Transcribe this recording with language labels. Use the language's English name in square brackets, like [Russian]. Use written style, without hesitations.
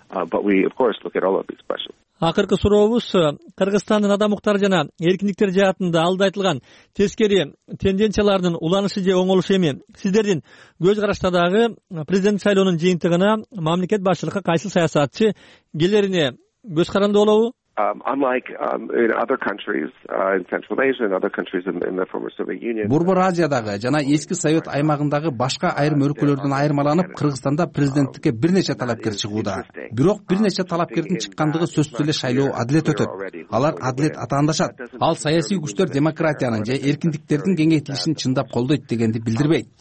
[English] But we of course look at all of these questions. [Kyrgyz] Акыркы сурообуз Кыргызстандын адам укуктары жана эркиндиктер жаатында алда айтылган тескери тенденциялардын уланышы же оңолушу эми? Сиздердин көз карашта дагы президент шайлоонун жыйынтыгына мамлекет башчылыгы кайсыл саясатчы келерине көз каранды болобу? [English] In other countries in Central Asia and other countries in the former Soviet Union. [Kyrgyz] Борбор Азиядагы жана эски Совет аймагындагы башка айрым өлкөлөрдөн айырмаланып, Кыргызстанда президенттикке бир нече талапкер чыгууда. Бирок бир нече талапкердин чыккандыгы сөзсүз эле шайлоо адилет өтөт. Алар адилет атаандашат. Ал саясий күчтөр демократиянын же эркиндиктердин кеңейтилишин чындап колдойт дегенди билдирбейт.